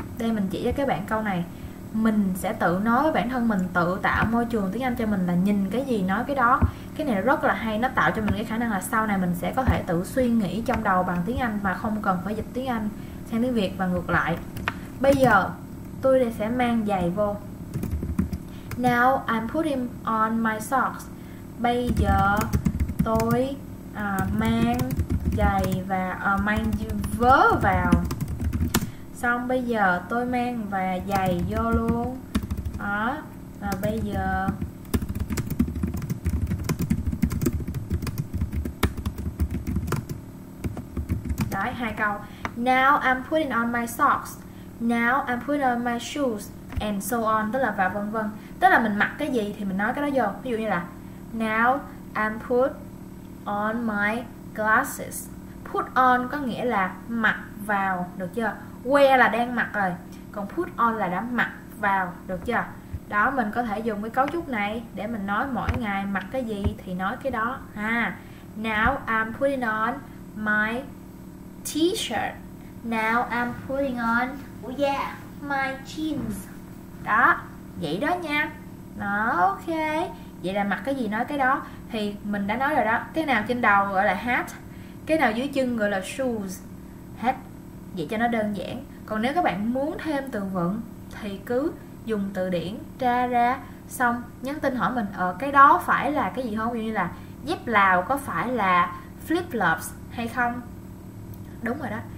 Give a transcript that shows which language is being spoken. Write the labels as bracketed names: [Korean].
[Vietnamese] Đây mình chỉ cho các bạn câu này. Mình sẽ tự nói với bản thân mình, tự tạo môi trường tiếng Anh cho mình là nhìn cái gì nói cái đó. Cái này rất là hay, nó tạo cho mình cái khả năng là sau này mình sẽ có thể tự suy nghĩ trong đầu bằng tiếng Anh mà không cần phải dịch tiếng Anh sang tiếng Việt và ngược lại. Bây giờ tôi sẽ mang giày vô. [English] Now I'm putting on my socks. [Vietnamese] Bây giờ tôi mang giày và mang vớ vào. Xong bây giờ tôi mang và giày vô luôn. Đó. Và bây giờ đấy, hai câu. [English] Now I'm putting on my socks. Now I'm putting on my shoes and so on, [Vietnamese] tức là và vân vân. Tức là mình mặc cái gì thì mình nói cái đó vô. Ví dụ như là [English] now I'm put on my glasses. [Vietnamese] Put on có nghĩa là mặc vào, được chưa? Wear là đang mặc rồi, còn put on là đã mặc vào, được chưa? Đó, mình có thể dùng cái cấu trúc này để mình nói mỗi ngày mặc cái gì thì nói cái đó ha. [English] Now I'm putting on my t-shirt. Now I'm putting on my jeans. [Vietnamese] Đó, vậy đó nha. Đó, ok. Vậy là mặc cái gì nói cái đó. Thì mình đã nói rồi đó, cái nào trên đầu gọi là hat, cái nào dưới chân gọi là shoes. Hat. Vậy cho nó đơn giản. Còn nếu các bạn muốn thêm từ vựng thì cứ dùng từ điển tra ra, xong nhắn tin hỏi mình ở cái đó phải là cái gì không, như là dép lào có phải là flip-flops hay không. Đúng rồi đó.